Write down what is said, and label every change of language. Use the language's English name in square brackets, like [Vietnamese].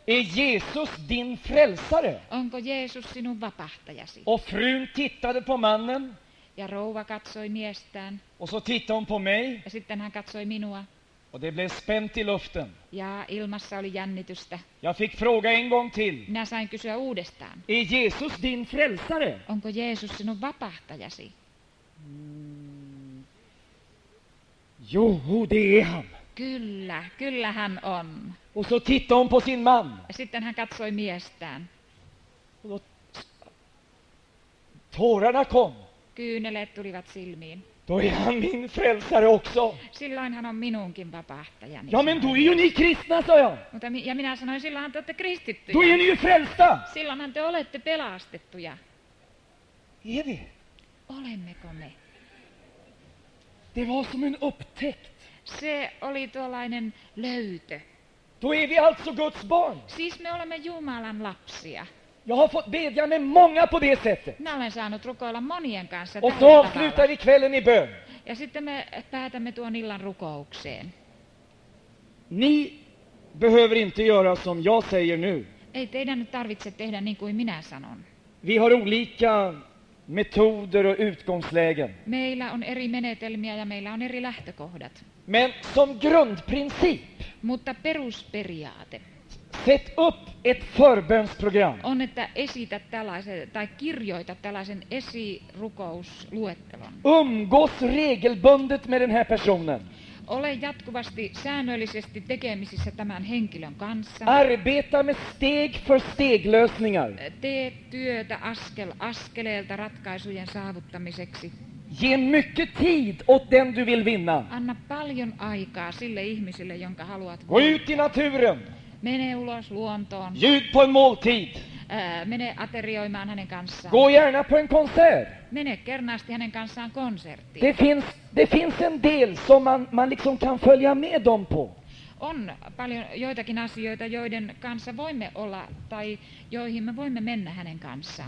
[Swedish] Är Jesus din frälsare? [Finnish] Onko Jeesus sinun vapahtajasi? [Swedish] Och frun tittade på mannen. [Finnish] Ja rouva katsoi miestään. [Swedish] Och så tittade hon på mig. [Finnish] Ja sitten hän katsoi minua. [Swedish] Och det blev spänt i luften. [Finnish] Ja ilmassa oli jännitystä. [Swedish] Jag fick fråga en gång till. [Finnish] Minä sain kysyä uudestaan. [Swedish] Är Jesus din frälsare? [Finnish] Onko Jeesus sinun vapahtajasi? [Swedish] Joo, det är han. [Finnish] Kyllä hän on. [Swedish] Och så tittade hon på sin man. [Finnish] Ja sitten hän katsoi miestään. [Swedish] Tårarna kom. [Finnish] Kyyneleet tulivat silmiin. [Swedish] Då är han min frälsare också. [Finnish] Silloin hän on minunkin vapahtajani. [Swedish] Ja men du är ju ni kristna, sa jag. [Finnish] Ja minä sanoin, silloinhan te olette kristittyjä. [Swedish] Du är ni ju frälsta. [Finnish] Silloinhan te olette pelastettuja. Evi. Olemmeko me? [Swedish] Det var som en upptäckt. [Finnish] Se oli tuollainen löytö. [Swedish] Då är vi alltså Guds barn. [Finnish] Siis me olemme Jumalan lapsia. [Swedish] Jag har fått bedja med många på det sättet. [Finnish] Minä olen saanut rukoilla monien kanssa. [Swedish] Och så avslutar vi kvällen i bön. [Finnish] Ja sitten me päätämme tuon illan rukoukseen. [Swedish] Ni behöver inte göra som jag säger nu. [Finnish] Ei teidän nyt tarvitse tehdä niin kuin minä sanon. [Swedish] Vi har olika metoder och utgångslägen. [Finnish] Meillä on eri menetelmiä ja meillä on eri lähtökohdat. [Swedish] Men som grundprincip. [Finnish] Mutta perusperiaate. [Swedish] Sätt upp ett förbönsprogram. [Finnish] On, että esität tällaisen, tai kirjoitat tällaisen esirukousluettelon. [Swedish] Umgås regelbundet med den här personen. [Finnish] Ole jatkuvasti säännöllisesti tekemisissä tämän henkilön kanssa. [Swedish] Arbeta med steg för steg lösningar. [Finnish] Tee työtä askel askeleelta ratkaisujen saavuttamiseksi. [Swedish] Ge mycket tid åt den du vill vinna. [Finnish] Anna paljon aikaa sille ihmiselle, jonka haluat. [Swedish] Gå ut i naturen. [Finnish] Mene ulos luontoon. [Swedish] Bjud på en måltid. [Finnish] Mene aterioimaan hänen kanssaan. [Swedish] Gå gärna på en konsert. [Finnish] Mene kernaasti hänen kanssaan konserttiin. [Swedish] Det finns en del som man liksom kan följa med dem på. [Finnish] On paljon joitakin asioita, joiden kanssa voimme olla tai joihin me voimme mennä hänen kanssaan.